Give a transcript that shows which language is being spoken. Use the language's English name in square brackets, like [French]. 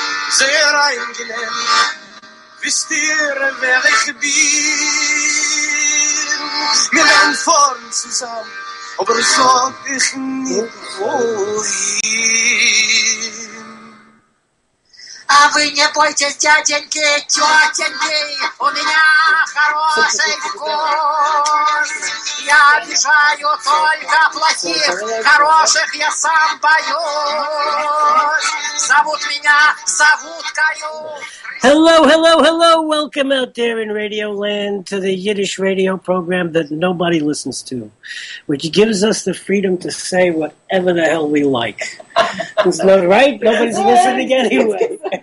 [German] Sehr angenehm, wisst ihr, wer ich bin? Wir werden fahren zusammen, aber sag ich nicht wohin. [Russian] А вы не бойтесь, дяденьки, тетеньки, у меня хороший вкус. Я обижаю только плохих, хороших я сам боюсь. Зовут меня Завуткою. [English] Hello, hello, hello. Welcome out there in Radio Land to the Yiddish radio program that nobody listens to, which gives us the freedom to say whatever the hell we like. It's not right. Nobody's listening anyway.